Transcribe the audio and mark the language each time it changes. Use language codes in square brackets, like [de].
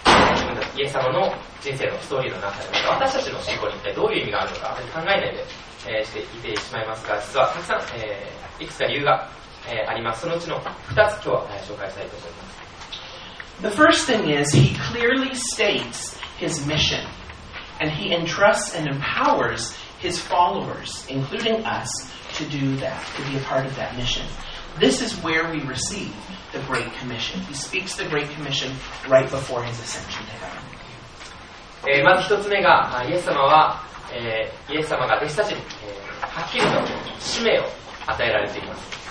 [ja] 自分たちイエス様の人生のストーリーの中で、また私たちの信仰に一体どういう意味があるのか考えないで、していてしまいますが、実はたくさん、いくつか理由が、あります。そのうちの2つ今日は、紹介したいと思います。 [en] The first thing is he clearly states his mission and he entrusts and empowers his followers, including us, to do that, to be a part of that mission. This is where we receive the Great Commission. He speaks the Great Commission right before his ascension to heaven. [ja] まず一つ目が、イエス様は、イエス様が弟子たちに、はっきりと使命を与えられています。